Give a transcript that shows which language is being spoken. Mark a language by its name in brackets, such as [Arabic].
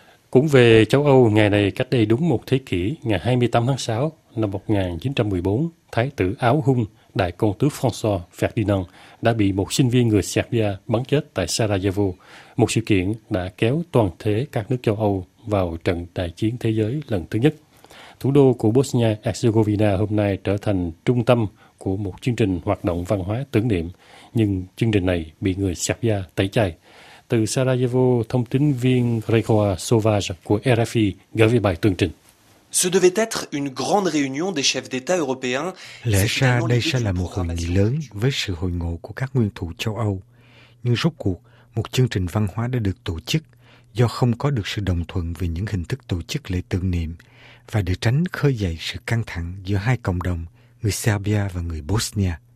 [Vietnamese] Cũng về châu Âu, ngày này cách đây đúng một thế kỷ, ngày 28 tháng 6 năm 1914, Thái tử Áo Hung, Đại công tước François Ferdinand đã bị một sinh viên người Serbia bắn chết tại Sarajevo, một sự kiện đã kéo toàn thể các nước châu Âu vào trận đại chiến thế giới lần thứ nhất. Thủ đô của Bosnia Herzegovina hôm nay trở thành trung tâm của một chương trình hoạt động văn hóa tưởng niệm, nhưng chương trình này bị người Serbia tẩy chay. Từ Sarajevo, thông tin viên Gregor Sauvage của RFI gửi về bài tường trình. [French] Ce devait être une grande réunion des chefs d'État européens. [Vietnamese] Lẽ ra đây sẽ là một hội nghị lớn với sự hội ngộ của các nguyên thủ châu Âu. Nhưng rốt cuộc, một chương trình văn hóa đã được tổ chức do không có được sự đồng thuận về những hình thức tổ chức lễ tưởng niệm và để tránh khơi dậy sự căng thẳng giữa hai cộng đồng, người Serbia và người Bosnia.